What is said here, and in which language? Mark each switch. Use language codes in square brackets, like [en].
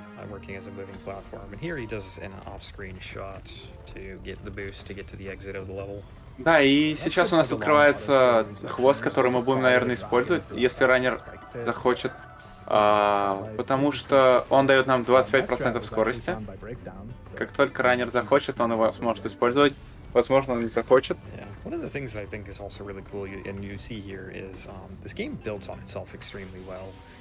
[en] Working as a moving platform, and here he does an off-screen shot to get the boost to get to the exit of the level. [ru] Да, и сейчас у нас открывается хвост, который мы будем, наверное, использовать, если раннер захочет, потому что он дает нам 25% скорости. Как только раннер захочет, он его сможет использовать. Возможно, он не захочет. [en] One of the things that I think is also really cool, and you see here, is this game builds on itself extremely well.